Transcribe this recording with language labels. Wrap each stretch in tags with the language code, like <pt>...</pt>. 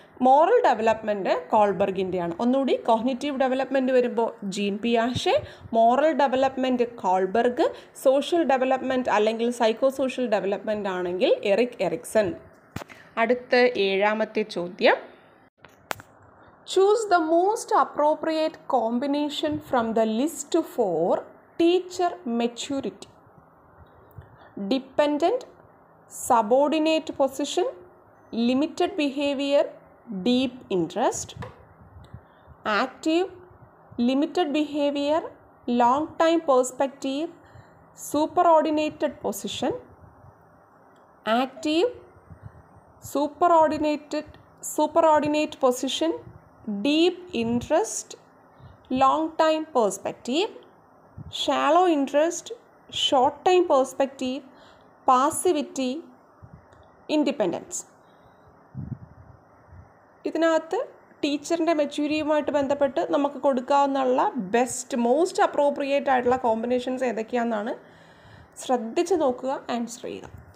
<ml>Moral development കോൾബർഗിൻ്റെ ആണ്. ഒന്നുകൂടി, cognitive development വരുമ്പോൾ gene പിയാഷേ, moral development Kohlberg, social development അല്ലെങ്കിൽ സൈക്കോ സോഷ്യൽ ഡെവലപ്മെൻ്റ് ആണെങ്കിൽ എറിക് എറിക്സൺ. അടുത്ത ഏഴാമത്തെ ചോദ്യം,</ml> <en>choose the most appropriate combination from the list for teacher maturity. Dependent, subordinate position, limited behavior, deep interest. Active, limited behavior, long time perspective, superordinated position. Active, superordinate position, deep interest, long time perspective. Shallow interest, short time perspective, passivity, independence.</en> <ml>ഇതിനകത്ത് ടീച്ചറിൻ്റെ മെച്യൂരിയുമായിട്ട് ബന്ധപ്പെട്ട് നമുക്ക് കൊടുക്കാവുന്നുള്ള best most appropriate ആയിട്ടുള്ള combinations ഏതൊക്കെയാണെന്നാണ് ശ്രദ്ധിച്ച് നോക്കുക, answer ചെയ്യുക.</ml>